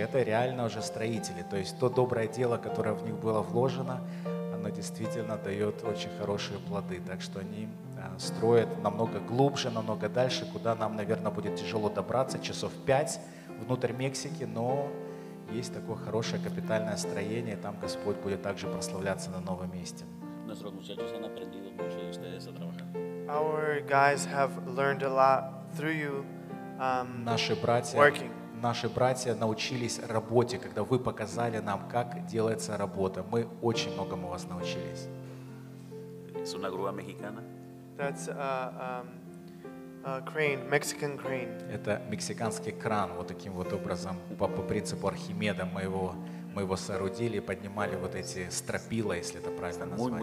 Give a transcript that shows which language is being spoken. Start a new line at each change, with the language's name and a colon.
Russian: Это реально уже строители. То есть то доброе дело, которое в них было вложено, оно действительно дает очень хорошие плоды. Так что они строят намного глубже, намного дальше, куда нам, наверное, будет тяжело добраться, часов 5 внутрь Мексики, но есть такое хорошее капитальное строение, и там Господь будет также прославляться на новом месте.
English: Our guys have learned a lot through you.
Russian: Наши братья научились работе, когда вы показали нам, как делается работа. Мы очень многому вас научились.
Spanish: Es una grúa mexicana.
English: That's a crane, Mexican crane.
Russian: Это мексиканский кран, вот таким вот образом, по принципу Архимеда мы его соорудили, поднимали вот эти стропила, если это правильно назвать.